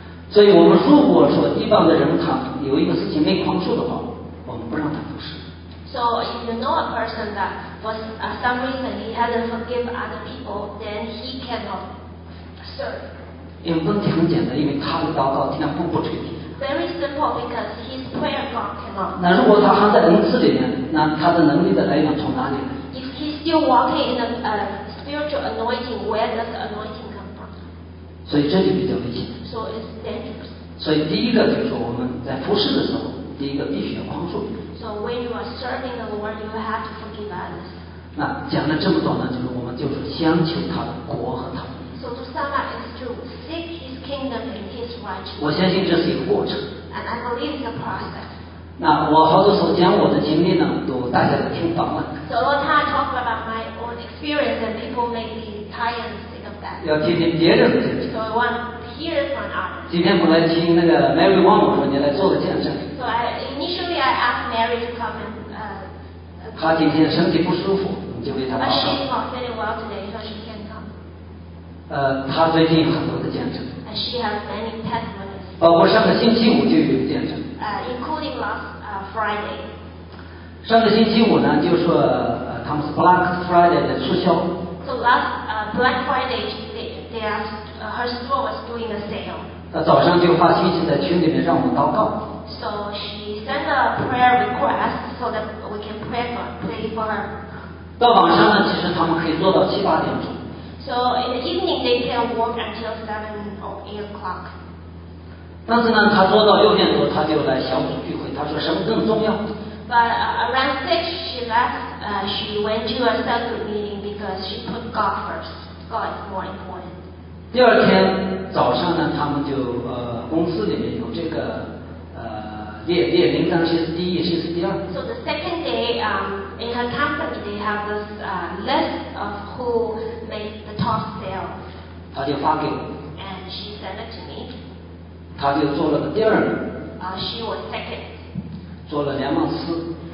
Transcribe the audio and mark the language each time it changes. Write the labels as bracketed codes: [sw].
[zh] 所以我们如果说一般的人他有一个事情没宽恕的话，我们不让他服侍。 [en] So if you know a person that for some reason he hasn't forgive other people, then he cannot serve. [zh] 因为问题很简单，因为他的祷告天父不垂听。 [en] Very simple because his prayer God cannot. [zh] 那如果他还在恩赐里面，那他的能力的来源从哪里 [en] ？If he's still walking in a spiritual anointing, where does anointing come from? [zh] 所以这就比较危险。 [en] So it's dangerous. [zh] 所以第一个就是我们在服侍的时候，第一个必须要宽恕。 [en] So when you are serving the Lord, you have to forgive others. [zh] 那讲了这么多呢，就是我们就是先求他的国和他的义。 [en] So to sum up, it's to seek His kingdom and His righteousness. [zh] 我相信这是一个过程。 [en] And I believe it's a process. [zh] 那我好多时候讲我的经历呢，都大家都听懂了。 [en] So a lot of time talking about my own experience, and people may be tired and sick of that. [zh] 要听听别人的经历。 [en] So I want. [zh] 今天我来听那个 Mary Wong 说你来做个见证。 [en] So initially I asked Mary to come and. [zh] 她今天身体不舒服，你就为她祷告。 [en] But she's not feeling well today, so she can't come. [zh] 她最近很多的见证。 [en] And she has many testimonies. [zh] 我上个星期五就有见证。 [en] Including last Friday. [zh] 上个星期五呢，就说他们是 Black Friday 的促销。 [en] So last Black Friday they asked. Her store was doing a sale. [zh] 早上就发信息在群里面让我们祷告。 [en] So she sent a prayer request so that we can pray for her. [zh] 到晚上呢，其实他们可以做到七八点钟。 [en] So in the evening they can work until 7 or 8 o'clock. [zh] 但是呢，他做到六点多，他就来小组聚会。他说什么更重要 [en] ？But around 6 she left. She went to a cell group meeting because she put God first. God is more important. [zh] 第二天早上呢，他们就公司里面有这个列名单，谁是第一，谁是第二。 [en] So the second day, in her company, they have this list of who made the top sale. [zh] 他就发给我。 [en] And she sent it to me. [zh] 他就做了个第二名。 [en] She was second. [zh] 做了两万四。